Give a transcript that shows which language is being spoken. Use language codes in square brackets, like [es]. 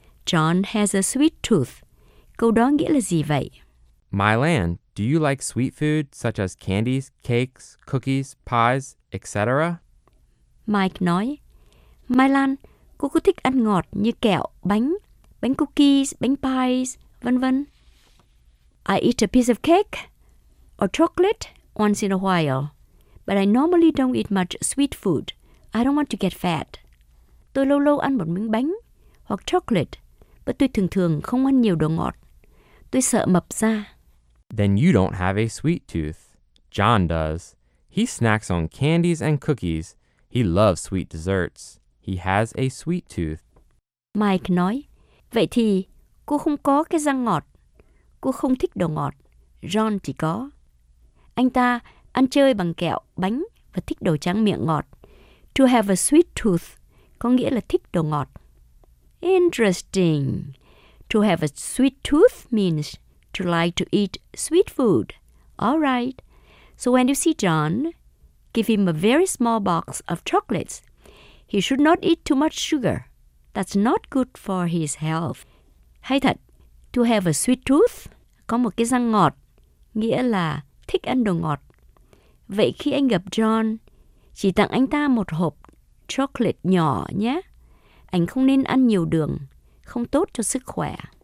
[en] John has a sweet tooth. [vi] Câu đó nghĩa là gì vậy? [en] My Lan, do you like sweet food such as candies, cakes, cookies, pies, etc.? [vi] Mike nói, My Lan, cô có thích ăn ngọt như kẹo, bánh, bánh cookies, bánh pies, vân vân. [en] I eat a piece of cake or chocolate once in a while, but I normally don't eat much sweet food. I don't want to get fat. [vi] Tôi lâu lâu ăn một miếng bánh hoặc chocolate, but tôi thường thường không ăn nhiều đồ ngọt. Tôi sợ mập ra. [en] Then you don't have a sweet tooth. John does. He snacks on candies and cookies. He loves sweet desserts. He has a sweet tooth. [vi] Mike nói, vậy thì cô không có cái răng ngọt. Cô không thích đồ ngọt. John chỉ có. Anh ta ăn chơi bằng kẹo, bánh và thích đồ tráng miệng ngọt. [en] To have a sweet tooth [vi] có nghĩa là thích đồ ngọt. [en] Interesting. To have a sweet tooth means to like to eat sweet food. All right. So when you see John, give him a very small box of chocolates. He should not eat too much sugar. That's not good for his health. [vi] Hay thật, [en] to have a sweet tooth, [vi] có một cái răng ngọt, nghĩa là thích ăn đồ ngọt. Vậy khi anh gặp John, chỉ tặng anh ta một hộp chocolate nhỏ nhé. Anh không nên ăn nhiều đường, không tốt cho sức khỏe.